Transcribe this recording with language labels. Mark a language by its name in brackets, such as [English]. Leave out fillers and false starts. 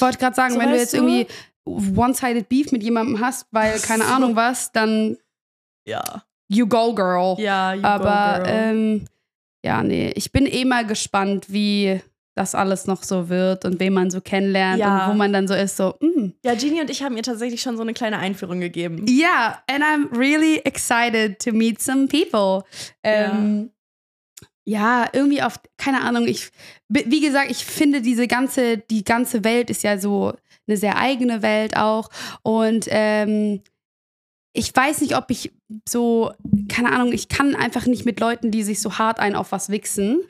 [German] Ich wollte gerade sagen, so, wenn du jetzt irgendwie [English] one-sided beef [German] mit jemandem hast, weil keine Ahnung was, dann... Ja. [English] You go, girl. [German] Ja, [English] you [German] aber, [English] go, girl. [German] Aber ich bin eh mal gespannt, wie das alles noch so wird und wen man so kennenlernt und wo man dann so ist, so... Ja, Jeannie und ich haben ihr tatsächlich schon so eine kleine Einführung gegeben. [English] Ja, and I'm really excited to meet some people. [German] Ja, irgendwie auf, keine Ahnung, wie gesagt, ich finde die ganze Welt ist ja so eine sehr eigene Welt auch und ich weiß nicht, ob ich so, keine Ahnung, ich kann einfach nicht mit Leuten, die sich so hart ein auf was wichsen.